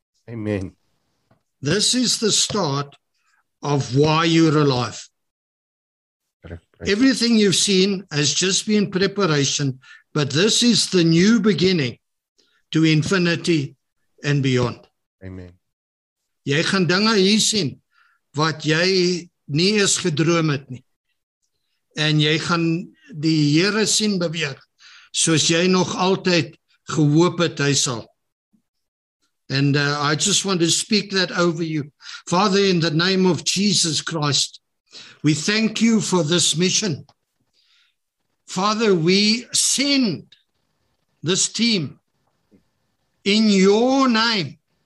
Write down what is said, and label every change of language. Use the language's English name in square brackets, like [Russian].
[English] Amen. This is the start of why you're alive. Everything you've seen has just been preparation, but this is the new beginning to infinity and beyond. Amen. [Afrikaans] Jy gaan dinge hier sien wat jy nie eens gedroom het nie. En jy gaan die Here sien beweeg soos jy nog altyd gehoop het hy sal. [English] And I just want to speak that over you. Father, in the name of Jesus Christ, we thank you for this mission. Father, we send this team in your name.